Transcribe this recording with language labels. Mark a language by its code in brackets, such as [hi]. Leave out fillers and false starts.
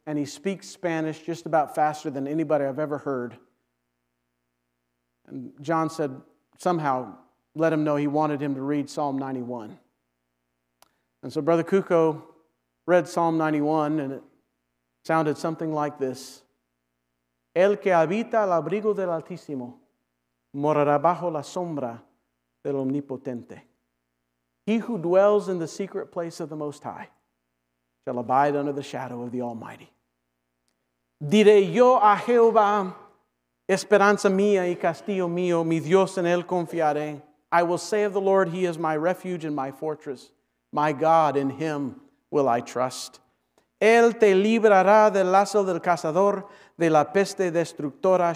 [en] And he speaks Spanish just about faster than anybody I've ever heard. And John said, somehow, let him know he wanted him to read Psalm 91. And so Brother Cuco read Psalm 91, and it sounded something like this. [es] El que habita al abrigo del Altísimo morará bajo la sombra del Omnipotente. [en] He who dwells in the secret place of the Most High shall abide under the shadow of the Almighty. [es] Diré yo a Jehová, esperanza mía y castillo mío, mi Dios en él confiaré. [en] I will say of the Lord, he is my refuge and my fortress. My God, in him will I trust. [es] Él te librará del lazo del cazador, de la peste destructora.